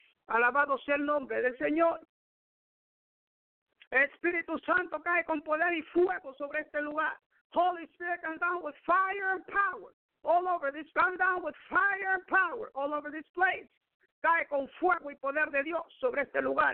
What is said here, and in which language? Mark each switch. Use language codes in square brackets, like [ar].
[es] Alabado sea el nombre del Señor. Espíritu Santo cae con poder y fuego sobre este lugar. [en] Holy Spirit, come down with fire and power all over this. Come down with fire and power all over this place. [es] Cae con fuego y poder de Dios sobre este lugar.